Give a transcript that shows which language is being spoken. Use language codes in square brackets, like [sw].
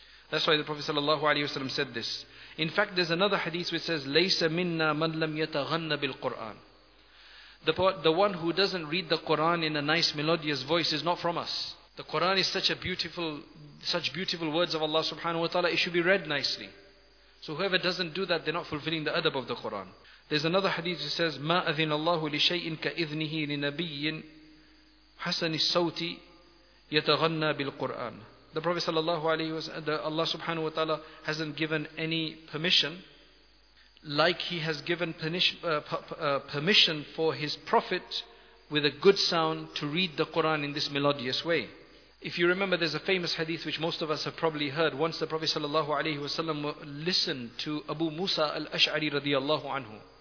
[en] That's why the Prophet ﷺ said this. In fact, there's another hadith which says, [ar] لَيْسَ مِنَّا مَنْ لَمْ يَتَغَنَّ بِالْقُرْآنِ. [en] The one who doesn't read the Quran in a nice melodious voice is not from us. The Quran is such beautiful words of Allah subhanahu wa ta'ala, it should be read nicely. So whoever doesn't do that, they're not fulfilling the adab of the Quran. There's another hadith which says, [ar] مَا أَذِنَ اللَّهُ لِشَيْءٍ كَإِذْنِهِ لِنَبِيٍّ حَسَنِ السَّوْتِ يَتَغَنَّى بِالْقُرْآنِ. [en] The Prophet sallallahu alaihi wasallam, Allah subhanahu wa ta'ala hasn't given any permission, like he has given permission for his prophet with a good sound to read the Quran in this melodious way. If you remember, there's a famous hadith which most of us have probably heard. Once the Prophet sallallahu alaihi wasallam listened to Abu Musa al-Ash'ari radiallahu anhu.